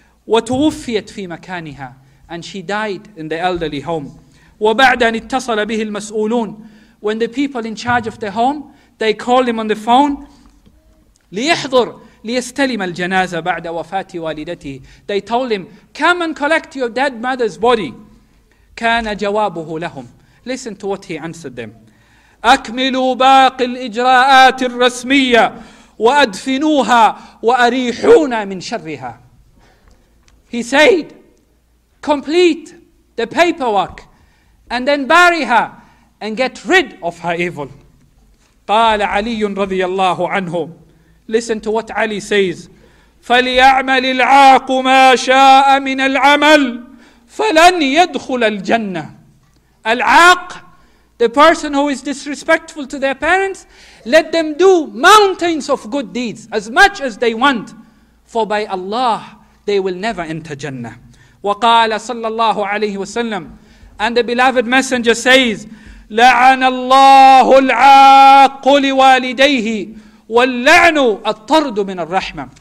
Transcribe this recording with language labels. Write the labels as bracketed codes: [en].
[ar] وتوفيت في مكانها, [en] and she died in the elderly home. [ar] وبعد أن اتصل به المسؤولون, [en] when the people in charge of the home, they called him on the phone, [ar] ليحضر ليستلم الجنازة بعد وفاة والدته, [en] they told him, come and collect your dead mother's body. [ar] كان جوابه لهم, [en] listen to what he answered them, [ar] أكملوا باقي الإجراءات الرسمية وأدفنوها وأريحونا من شرها. [en] He said, complete the paperwork and then bury her and get rid of her evil. [ar] قال علي رضي الله عنه, [en] listen to what Ali says, [ar] فليعمل العاق ما شاء من العمل فلن يدخل الجنة. [en] العاق, the person who is disrespectful to their parents, let them do mountains of good deeds as much as they want, for by Allah they will never enter Jannah. [ar] وقال صلى الله عليه وسلم, [en] and the beloved messenger says, [ar] لعن الله العاق لوالديه واللعن الطرد من الرحمة.